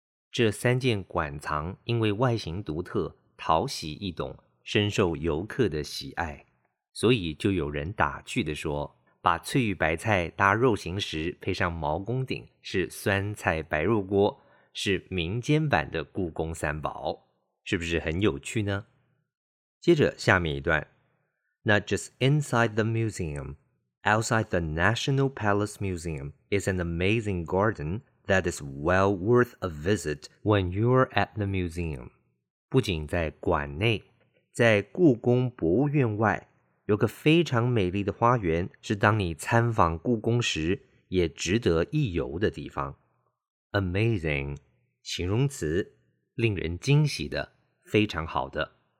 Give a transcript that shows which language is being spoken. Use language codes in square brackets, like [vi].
[zh] 这三件馆藏因为外形独特，讨喜易懂，深受游客的喜爱，所以就有人打趣地说，把翠玉白菜搭肉形石配上毛公鼎，是酸菜白肉锅，是民间版的故宫三宝，是不是很有趣呢？接着下面一段， [en] Not just inside the museum, outside the National Palace Museum is an amazing garden that is well worth a visit when you're at the museum. [zh] 不仅在馆内，在故宫博物院外有个非常美丽的花园，是当你参访故宫时也值得一游的地方。 Amazing 形容词，令人惊喜的，非常好的。